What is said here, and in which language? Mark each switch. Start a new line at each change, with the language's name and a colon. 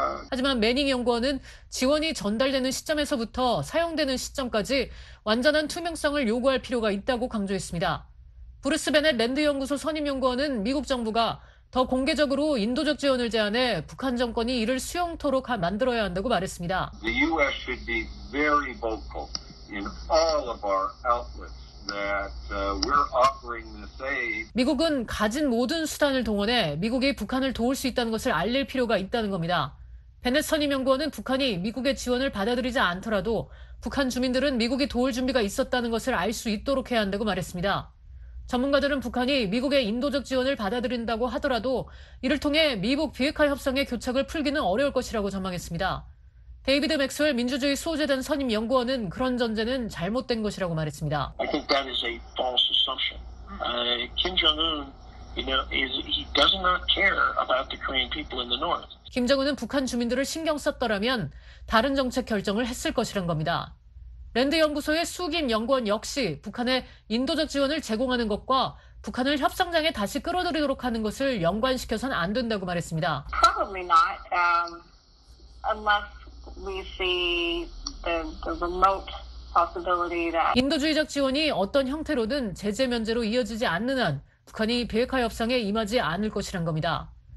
Korean: 하지만 매닝 연구원은 지원이 전달되는 시점에서부터 사용되는 시점까지 완전한 투명성을 요구할 필요가 있다고 강조했습니다. 브루스 베넷 랜드연구소 선임연구원은 미국 정부가 더 공개적으로 인도적 지원을 제안해 북한 정권이 이를 수용토록 만들어야 한다고 말했습니다.
English: The U.S. should be very vocal in all of our outlets that we're offering this aid.
Korean: 미국은 가진 모든 수단을 동원해 미국이 북한을 도울 수 있다는 것을 알릴 필요가 있다는 겁니다. 베넷 선임연구원은 북한이 미국의 지원을 받아들이지 않더라도 북한 주민들은 미국이 도울 준비가 있었다는 것을 알 수 있도록 해야 한다고 말했습니다. 전문가들은 북한이 미국의 인도적 지원을 받아들인다고 하더라도 이를 통해 미북 비핵화 협상의 교착을 풀기는 어려울 것이라고 전망했습니다. 데이비드 맥스웰 민주주의 수호재단 선임 연구원은 그런 전제는 잘못된 것이라고 말했습니다.
English: I think that is a false assumption. Kim Jong-un, you know, he does not care about the Korean people in the north.
Korean: 김정은은 북한 주민들을 신경 썼더라면 다른 정책 결정을 했을 것이란 겁니다. 랜드 연구소의 수김 연구원 역시 북한에 인도적 지원을 제공하는 것과 북한을 협상장에 다시 끌어들이도록 하는 것을 연관시켜서는 안 된다고 말했습니다.
English: Probably not, unless we see the remote possibility that
Korean: 인도주의적 지원이 어떤 형태로든 제재 면제로 이어지지 않는 한 북한이 비핵화 협상에 임하지 않을 것이란 겁니다.